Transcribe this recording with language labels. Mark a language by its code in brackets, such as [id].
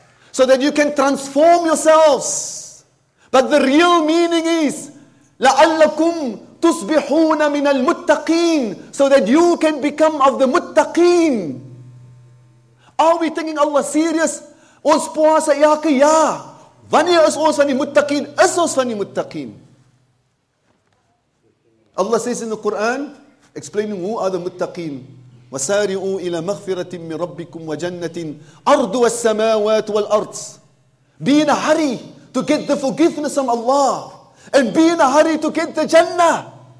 [en] So that you can transform yourselves. But the real meaning is, [ar] لَعَلَّكُمْ تُصْبِحُونَ مِنَ الْمُتَّقِينَ. [en] So that you can become of the muttaqeen. Are we thinking Allah serious? [af] Ons puasa elke jaar. Wanneer is ons van die muttaqeen? Is ons van die muttaqeen? [en] Allah says in the Quran, explaining who are the muttaqeen. [ar] وَسَارِعُوا إِلَى مَغْفِرَةٍ مِّن رَبِّكُمْ وَجَنَّةٍ أَرْضُ وَالسَّمَاوَاتُ وَالْأَرْضِ. [en] Be in a hurry to get the forgiveness from Allah. And be in a hurry to get the Jannah.